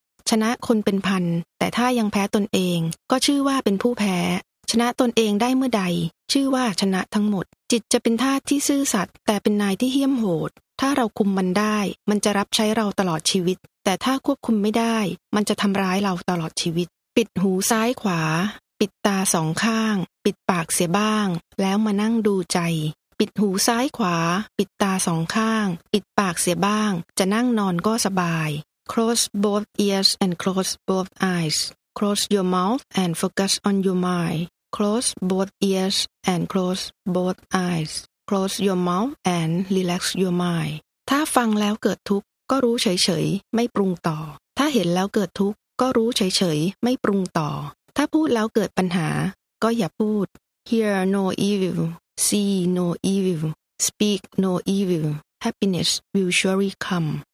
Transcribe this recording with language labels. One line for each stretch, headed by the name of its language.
Thai: ชนะคนเป็นพันแต่ถ้ายังแพ้ตนเองก็ชื่อว่าเป็นผู้แพ้ชนะตนเองได้เมื่อใดชื่อว่าชนะทั้งหมดจิตจะเป็นทาสที่ซื่อสัตย์แต่เป็นนายที่เหี้ยมโหดถ้าเราคุมมันได้มันจะรับใช้เราตลอดชีวิตแต่ถ้าควบคุมไม่ได้มันจะทำร้ายเราตลอดชีวิตปิดหูซ้ายขวา ปิดตาสองข้างปิดปากเสียบ้างแล้วมานั่งดูใจปิดหูซ้ายขวาปิดตาสองข้างปิดปากเสียบ้างจะนั่งนอนก็สบาย
English: Close both ears and close both eyes. Close your mouth and focus on your mind. Close both ears and close both eyes. Close your mouth and relax your mind.
Thai: ถ้าฟังแล้วเกิดทุกข์ก็รู้เฉยๆไม่ปรุงต่อถ้าเห็นแล้วเกิดทุกข์ก็รู้เฉยๆไม่ปรุงต่อถ้าพูดแล้วเกิดปัญหาก็อย่าพูด
English: Hear no evilSee no evil, speak no evil, happiness will surely come.